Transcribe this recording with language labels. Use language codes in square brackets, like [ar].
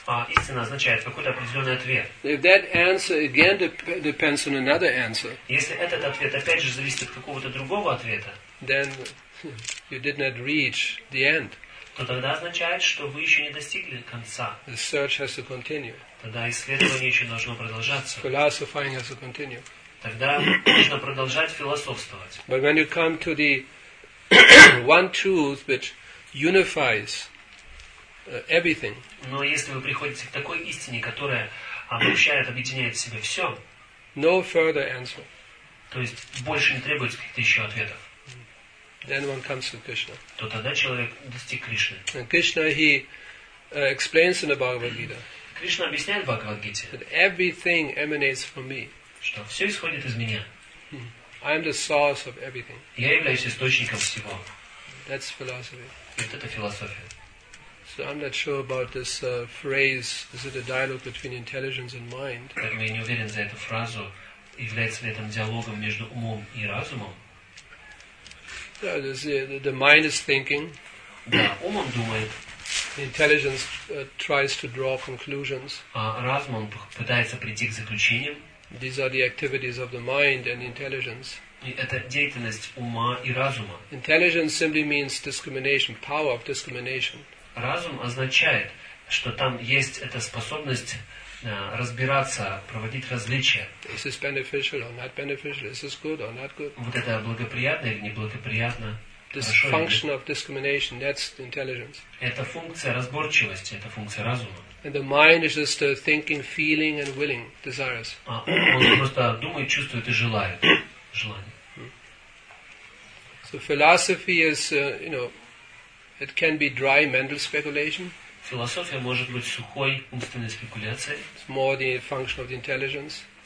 [ru] Истина означает какой-то определенный ответ. [en] If that answer again depends on another answer. [ru] Если этот ответ опять же зависит от какого-то другого ответа. [en] Then you did not reach the end. [ru] То тогда означает, что вы еще не достигли конца. [en] The search has to continue. [ru] Тогда исследование еще должно продолжаться. [en] Philosophizing has to continue. [ru] Тогда нужно продолжать философствовать. [en] But when you come to the one truth which unifies everything. [ru] Но если вы приходите к такой истине, которая обобщает, объединяет в себе все. [en] No further answer. [ru] То есть больше не требуется каких-то еще ответов. [en] Then one comes to Krishna. [ru] То тогда человек достиг Кришны. [en] And Krishna he explains in the Bhagavad Gita. [ru] Кришна объясняет в Бхагавад Гите. [en] That everything emanates from me. [ru] Что все исходит из меня. [en] I am the source of everything. [ru] Я являюсь источником всего. [en] That's philosophy. [ru] Вот это философия. [en] So I'm not sure about this phrase. Is it a dialogue between intelligence and mind? [ru] Я не уверен за эту фразу. Является ли это диалогом между умом и разумом? [en] The mind is thinking. [ru] Ум он думает. [en] Intelligence tries to draw conclusions. [ru] Разум он пытается прийти к заключениям. [en] These are the activities of the mind and intelligence. [ru] Это деятельность ума и разума. [en] Intelligence simply means discrimination, power of discrimination. [ru] Разум означает, что там есть эта способность разбираться, проводить различия. [en] Is this beneficial or not beneficial? Is this good or not good? [ru] Вот это благоприятно или неблагоприятно? [en] This function of discrimination, that's intelligence. [ru] Это функция разборчивости, это функция разума. [en] And the mind is just thinking, feeling and willing desires. [ru] А ум он просто думает, чувствует и желает желания. [en] So philosophy is, you know, it can be dry mental speculation. [ru] Философия может быть сухой умственной спекуляцией. [en] It's more the function of the intelligence.